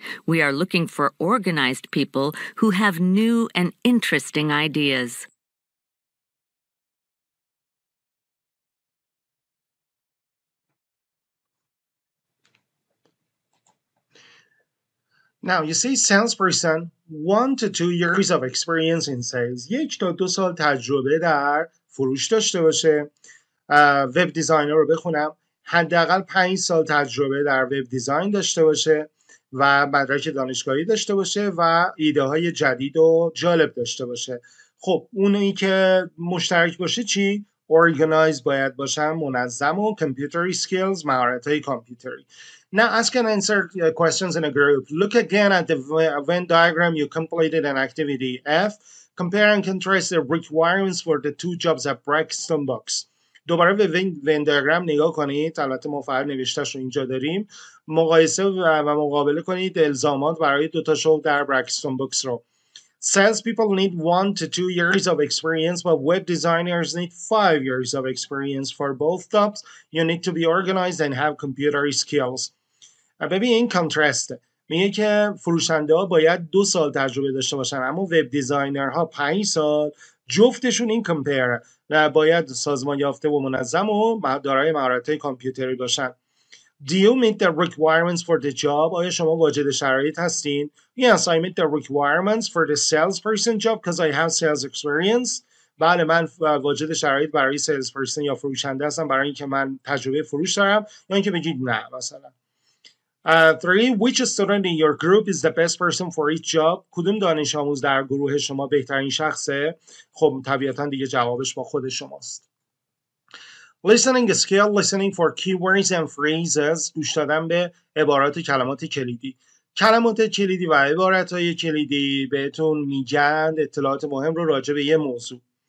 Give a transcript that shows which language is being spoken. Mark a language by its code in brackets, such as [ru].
[en] We are looking for organized people who have new and interesting ideas. Now, you see, salesperson, 1 to 2 years of experience in sales. 1 to 2 years [fa] تجربه در فروش داشته باشه. ویب دیزاینر رو بخونم. حداقل 5 سال تجربه در ویب دیزاین داشته باشه و مدرک دانشگاهی داشته باشه و ایده های جدید و جالب داشته باشه. خب، اونی که مشترک باشه چی؟ Organize باید باشم، منظم و computer skills، مهارت های کامپیوتری. [en] Now ask and answer questions in a group. Look again at the Venn diagram you completed in activity F. Compare and contrast the requirements for the 2 jobs at Braxton Books. [fa] دوباره به Venn diagram نگاه کنید. البته ما فقط نوشتش رو اینجا داریم. مقایسه و مقابله کنید الزامات برای 2 تا شغل در Braxton Books رو. [en] Salespeople need 1 to 2 years of experience, but web designers need 5 years of experience for both jobs. You need to be organized and have computer skills. [fa] ببین این کانترست میگه که فروشنده ها باید 2 سال تجربه داشته باشن، اما وب دیزاینر ها 5 سال. جفتشون این کمپیر باید سازمان یافته و منظم و دارای مهارت های کامپیوتری باشن. [en] Do you meet the requirements for the job? [fa] آیا شما واجد شرایط هستین؟ [en] Yes, I meet the requirements for the salesperson job because I have sales experience. [fa] بله، من واجد شرایط برای salesperson یا فروشنده هستم برای اینکه من تجربه فروش دارم. یا اینکه بگید نه مثلا. 3. [en] Which student in your group is the best person for each job? [fa] کدوم دانش آموز در گروه شما بهترین شخصه؟ خب طبیعتاً دیگه جوابش با خود شماست. [en] Listening skill, listening for keywords and phrases. [fa] گوش دادن به عبارات کلمات کلیدی. کلمات کلیدی و عبارات های کلیدی بهتون میگن اطلاعات مهم رو راجع به یه موضوع.